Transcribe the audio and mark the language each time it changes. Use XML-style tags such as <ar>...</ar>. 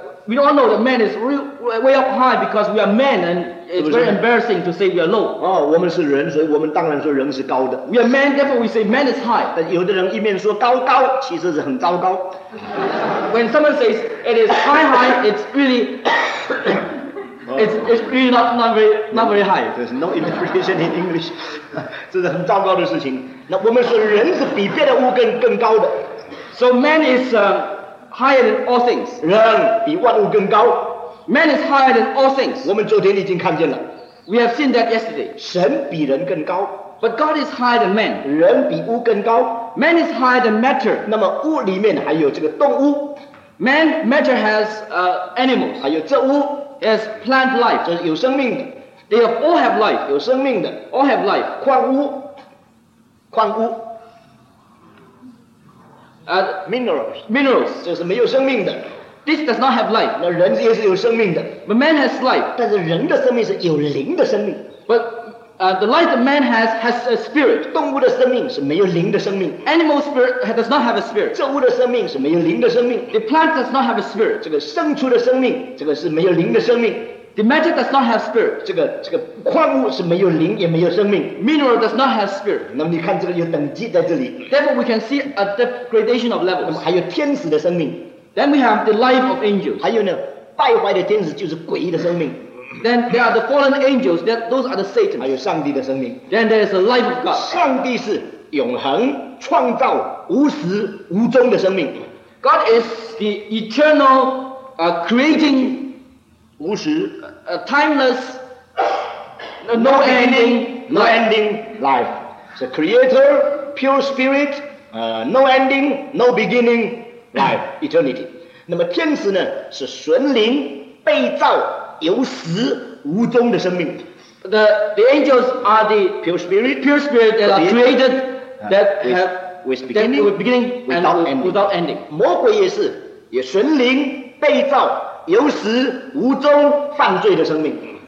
<en>We all know that man is real, way up high because we are men, and it's very embarrassing to say we are low.</en> <zh>哦，我们是人，所以我们当然说人是高的。</zh> <en>We are men, therefore we say man is high.</en> <zh>但有的人一面说高高，其实是很糟糕。</zh> <en>When someone says it is high high, it's really not very high. There's no interpretation in English.</en> <zh>这是很糟糕的事情。那我们说人是比别的物更高的。</zh> <en>So man is higher than all things.</en> <zh>人比万物更高。</zh> <en>Man is higher than all things.</en> <zh>我们昨天已经看见了。</zh> <en>We have seen that yesterday.</en> <zh>神比人更高。</zh> <en>But God is higher than man.</en> <zh>人比物更高。</zh> <en>Man is higher than matter.</en> <zh>那么物里面还有这个动物。</zh> <en>Man, matter has animals.</en> <zh>还有植物。</zh> <en>Has plant life.</en> <zh>这是有生命的。</zh> <en>They have all have life.</en> <zh>有生命的。</zh> <en>All have life.</en> <zh>矿物。矿物。</zh> <en>Minerals.</en> <zh>这是没有生命的。</zh> <en>This does not have life.</en> <zh>那人也是有生命的。</zh> <en>But man has life.</en> <zh>但是人的生命是有灵的生命。</zh> <en>But the life that man has a spirit.</en> <zh>动物的生命是没有灵的生命。</zh> <en>Animal spirit does not have a spirit.</en> <zh>植物的生命是没有灵的生命。</zh> <en>The plant does not have a spirit.</en> <zh>这个生出的生命，这个是没有灵的生命。</zh> <en>The matter does not have spirit.</en> <zh>这个矿物是没有灵也没有生命。</zh> <en>Mineral does not have spirit.</en> <zh>那么你看这个有等级在这里。</zh> <en>Therefore we can see a degradation of levels.</en> <zh>那么还有天使的生命。</zh> <en>Then we have the life of angels.</en> <zh>还有呢，败坏的天使就是鬼的生命。</zh> <en>Then there are the fallen angels. Those are the Satan.</en> <zh>还有上帝的生命。</zh> <en>Then there is the life of God.</en> <zh>上帝是永恒、创造、无始无终的生命。</zh> <en>God is the eternal, creating.</en> <zh>无始。</zh> <en>A timeless, no ending life. The creator, pure spirit, no ending, no beginning life, eternity. 那么天使呢，是纯灵、被造、有始无终的生命。 The angels are the pure spirit that are created that have with beginning without ending.</en> <zh>魔鬼也是，也纯灵、被造。有始无终犯罪的生命。</zh>